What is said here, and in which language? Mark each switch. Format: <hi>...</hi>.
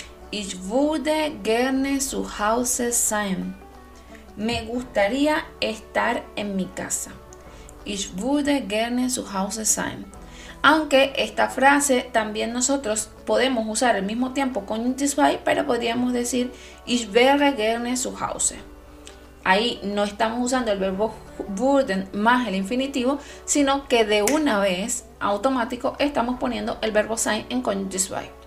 <de>Ich würde gerne zu Hause sein.</de> <es>Me gustaría estar en mi casa.</es> <de>Ich würde gerne zu Hause sein.</de> <es>Aunque esta frase también nosotros podemos usar al mismo tiempo con Konnichiwa, pero podríamos decir</es> <de>Ich wäre gerne zu Hause.</de> <es>Ahí no estamos usando el verbo würden más el infinitivo, sino que de una vez, automático, estamos poniendo el verbo sein en Konnichiwa.</es>